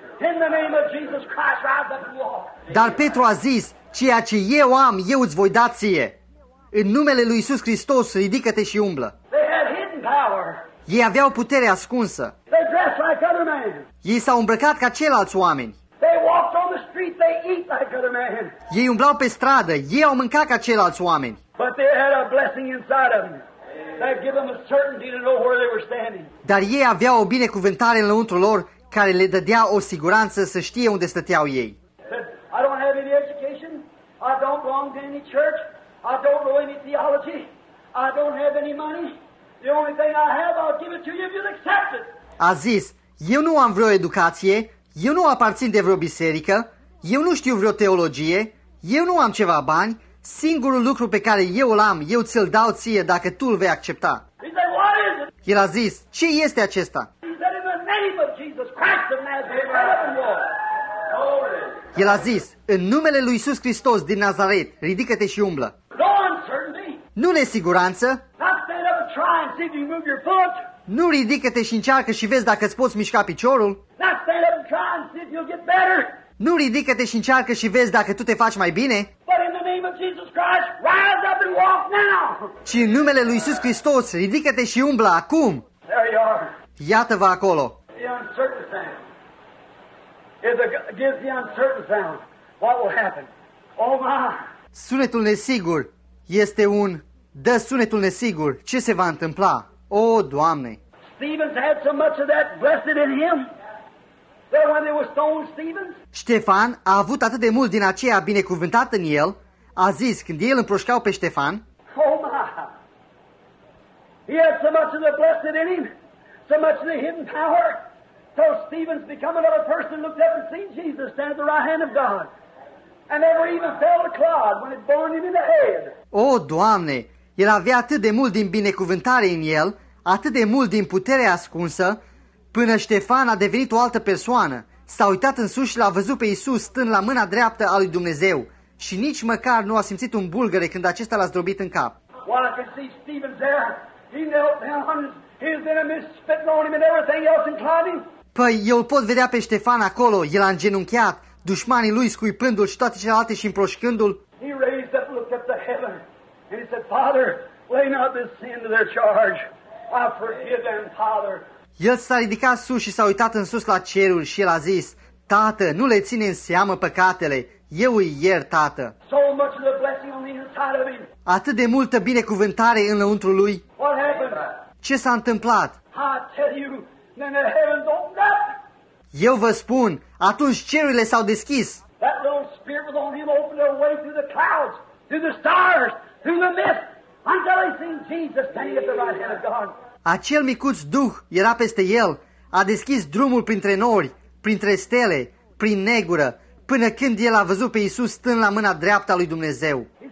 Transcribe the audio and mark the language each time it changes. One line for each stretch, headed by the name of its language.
English: In the name of Jesus Christ, rise up and walk.
Romanian: Dar Petru a zis, ceea ce eu am, eu îți voi da ție. În numele lui Iisus Hristos, ridică-te și umblă.
English: They had hidden power.
Romanian: Ei aveau putere ascunsă.
English: They dressed like other men.
Romanian: Ei s-au îmbrăcat ca ceilalți oameni.
English: They walked on the street, they eat like other men.
Romanian: Ei umblau pe stradă, ei au mâncat ca ceilalți oameni.
English: But they had a blessing inside of them. That gave them a certainty to know where they were standing.
Romanian: Dar ei aveau o binecuvântare înăuntru lor, care le dădea o siguranță să știe unde stăteau ei.
English: I don't have any education. I don't belong to any church. I don't know any theology. I don't have any money. The only thing I have, I'll give it to you if you'll accept it.
Romanian: A zis, eu nu am vreo educație, eu nu aparțin de vreo biserică, eu nu știu vreo teologie, eu nu am ceva bani, singurul lucru pe care eu îl am, eu ți-l dau ție dacă tu îl vei accepta.
English: He said, what is it?
Romanian: El a zis, ce este acesta?
English: He said, in the name of Jesus Christ of Nazareth, get up and walk. Glory.
Romanian: El a zis, în numele lui Iisus Hristos din Nazaret, ridică-te și umblă.
English: No uncertainty.
Romanian: Nu nesiguranță.
English: Now stand up and try and see if you move your foot.
Romanian: Nu ridică-te și încearcă și vezi dacă îți poți mișca piciorul.
English: Now stand up and try and see if you'll get better.
Romanian: Nu ridică-te și încearcă și vezi dacă tu te faci mai bine.
English: But in the name of Jesus Christ, rise up and walk now.
Romanian: Ci în numele lui Iisus Hristos, ridică-te și umblă acum.
English: There you are.
Romanian: Iată-vă acolo.
English: The uncertain sound. Give the uncertain sound. What will happen? Oh my.
Romanian: Sunetul nesigur este un... Dă sunetul nesigur. Ce se va întâmpla? O, Doamne!
English: Stephen's had so much of that blessed in him. That when they were stoned, Stephen's.
Romanian: Ștefan a avut atât de mult din aceea binecuvântat în el, a zis, când el împroșcau pe Ștefan,
English: oh my! He had so much of the blessed in him, so much of the hidden power, till Stephen's become another person, looked up and seen Jesus stand at the right hand of God, and never even felt a clod when it burned him in the head.
Romanian: O, Doamne! El avea atât de mult din binecuvântare în el, atât de mult din putere ascunsă, până Ștefan a devenit o altă persoană. S-a uitat în sus și l-a văzut pe Iisus stând la mâna dreaptă a lui Dumnezeu și nici măcar nu a simțit un bulgăre când acesta l-a zdrobit în cap.
English: Well, I can see Stephen there. He knelt down, his enemies spitting on him and everything else inclining.
Romanian: Păi, eu îl pot vedea pe Ștefan acolo, el a îngenunchiat, dușmanii lui scuipându-l și toate celelalte și împroșcându-l.
English: He raised up, looked up to heaven and he said, Father, lay not this sin to their charge. I forgive them, Father.
Romanian: El s-a ridicat sus și s-a uitat în sus la ceruri și el a zis, Tată, nu le ține în seamă păcatele, eu îi iert, Tată.
English: So much of the blessing on the inside of him.
Romanian: Atât de multă binecuvântare înăuntru lui.
English: What happened?
Romanian: Ce s-a întâmplat?
English: I tell you, then the heavens opened up.
Romanian: Eu vă spun, atunci cerurile s-au deschis.
English: That little spirit was on him opened their way through the clouds, through the stars, through the mist, until he seen Jesus standing at the right hand of God.
Romanian: Acel micuț duh era peste el, a deschis drumul printre nori, printre stele, prin negură, până când el a văzut pe Iisus stând la mâna dreaptă a lui Dumnezeu.